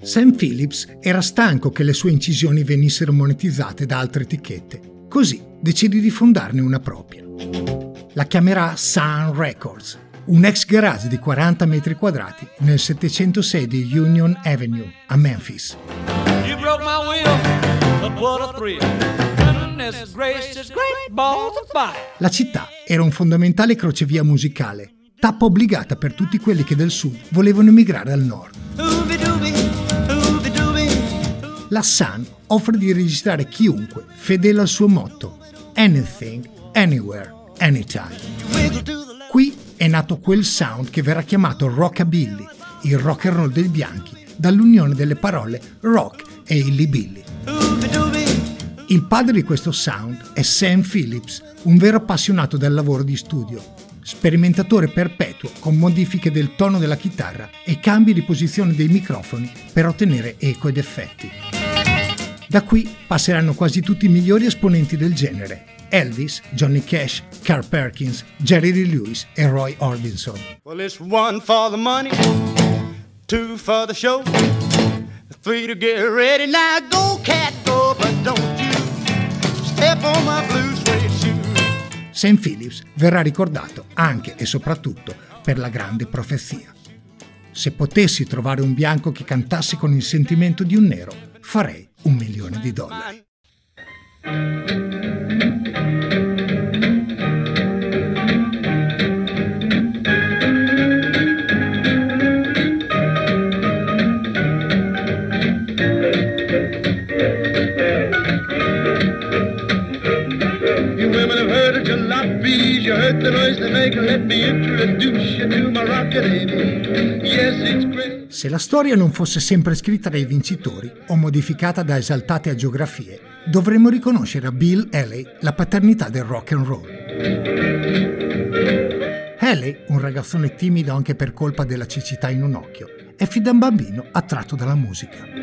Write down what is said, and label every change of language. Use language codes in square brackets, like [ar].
[it] Sam Phillips era stanco che le sue incisioni venissero monetizzate da altre etichette. Così decide di fondarne una propria. La chiamerà Sun Records. Un ex garage di 40 metri quadrati nel 706 di Union Avenue a Memphis. [en] You broke my wheel, what a thrill. Goodness gracious, great balls of fire. [it] La città era un fondamentale crocevia musicale, tappa obbligata per tutti quelli che del sud volevano emigrare al nord. La Sun offre di registrare chiunque, fedele al suo motto: [en] anything, anywhere, anytime. [it] Qui è nato quel sound che verrà chiamato rockabilly, il rock and roll dei bianchi, dall'unione delle parole rock e illybilly. Il padre di questo sound è Sam Phillips, un vero appassionato del lavoro di studio, sperimentatore perpetuo con modifiche del tono della chitarra e cambi di posizione dei microfoni per ottenere eco ed effetti. Da qui passeranno quasi tutti i migliori esponenti del genere: Elvis, Johnny Cash, Carl Perkins, Jerry Lee Lewis e Roy Orbison. [en] Well, it's one for the money, two for the show, three to get ready, now go cat go, but don't you step on my blue suede shoes. [it] Sam Phillips verrà ricordato anche e soprattutto per la grande profezia. Se potessi trovare un bianco che cantasse con il sentimento di un nero, farei $1,000,000. [en] You women have heard of jalopies, you heard the noise they make, let me introduce you to my rocket baby. Yes, it's great. [it] Se la storia non fosse sempre scritta dai vincitori o modificata da esaltate agiografie, dovremmo riconoscere a Bill Haley la paternità del rock and roll. Haley, un ragazzone timido anche per colpa della cecità in un occhio, è fin da bambino attratto dalla musica.